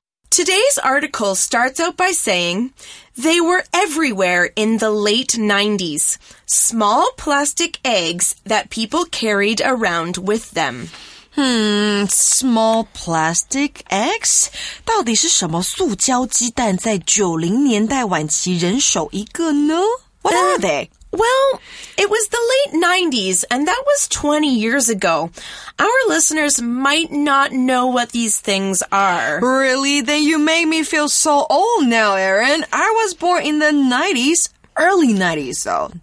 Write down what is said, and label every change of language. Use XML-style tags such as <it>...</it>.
<en>Today's article starts out by saying, they were everywhere in the late 90s. Small plastic eggs that people carried around with them. Small plastic eggs?</en> <zh>到底是什么塑胶鸡蛋在90年代晚期人手一个呢?</zh> <en>What are they? Well, it was the late 90s, and that was 20 years ago. Our listeners might not know what these things are. Really? Then you make me feel so old now, Erin. I was born in the 90s, early 90s, though.</en>